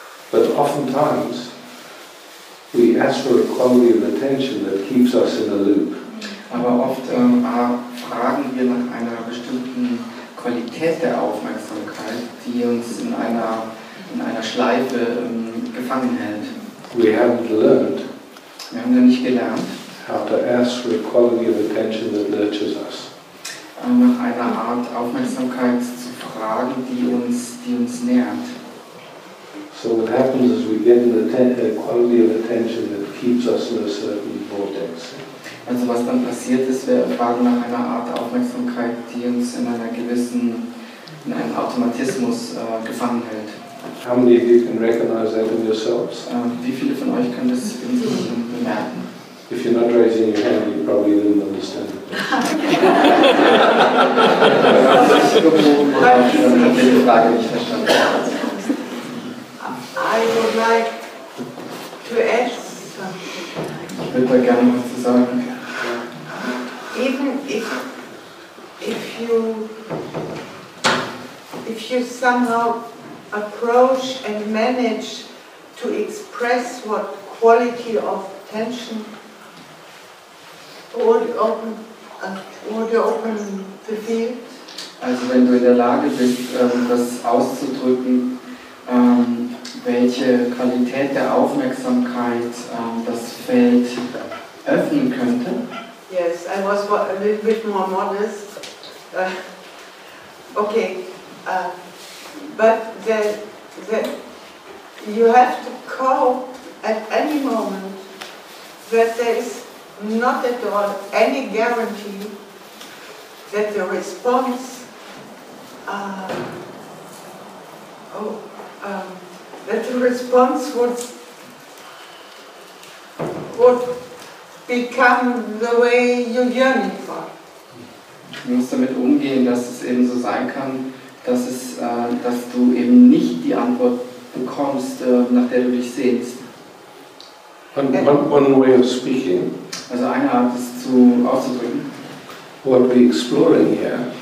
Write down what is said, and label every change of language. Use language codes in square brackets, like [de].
[en] But oftentimes we ask for a quality of attention that keeps us in a loop. [de] Aber oft fragen wir nach einer bestimmten Qualität der Aufmerksamkeit, die uns in einer Schleife gefangen hält. [en] We haven't learned. [de] Wir haben nicht gelernt. [en] How to ask for a quality of attention that nurtures us. [de] Nach einer Art Aufmerksamkeit zu fragen, die uns nährt. [en] So what happens is we get a quality of attention that keeps us in a certain vortex. [de] Also was dann passiert ist, wir fragen nach einer Art Aufmerksamkeit, die uns in einem Automatismus gefangen hält. [en] How many of you can recognize that in yourselves? [de] Wie viele von euch können das in sich bemerken? [en] If you're not raising your hand, you probably didn't understand it. I would like to ask something. [de] Ich würde gerne was zu sagen. [en] Even if you somehow approach and manage to express what quality of attention or the open the field. [de] Also wenn du in der Lage bist, das auszudrücken, welche Qualität der Aufmerksamkeit das Feld öffnen könnte. [en] Yes, I was a little bit more modest. Okay, but you have to cope at any moment that there is not at all any guarantee that the response that the response would become the way you yearn for. [de] Du musst damit umgehen, dass es eben so sein kann, dass es, dass du eben nicht die Antwort bekommst, nach der du dich sehnst. [en] One way of speaking. [de] Also eine Art ist zu auszudrücken. [en] What we're exploring here.